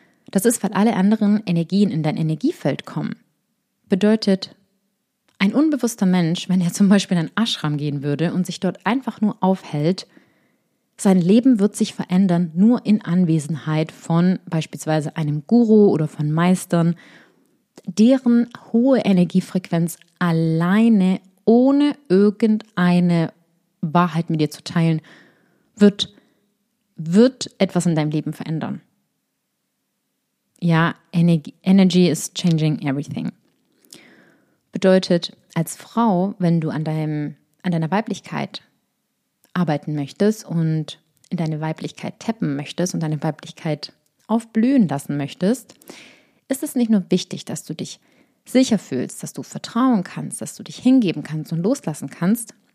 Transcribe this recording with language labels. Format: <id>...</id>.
<de>Das ist, weil alle anderen Energien in dein Energiefeld kommen. Bedeutet, ein unbewusster Mensch, wenn er zum Beispiel in einen Ashram gehen würde und sich dort einfach nur aufhält, sein Leben wird sich verändern, nur in Anwesenheit von beispielsweise einem Guru oder von Meistern, deren hohe Energiefrequenz alleine, ohne irgendeine Wahrheit mit dir zu teilen, wird etwas in deinem Leben verändern.</de> <en>Ja, Energy is changing everything.</en> <de>Bedeutet, als Frau, wenn du an deiner Weiblichkeit arbeiten möchtest und in deine Weiblichkeit tappen möchtest und deine Weiblichkeit aufblühen lassen möchtest, ist es nicht nur wichtig, dass du dich sicher fühlst, dass du vertrauen kannst, dass du dich hingeben kannst und loslassen kannst.</de>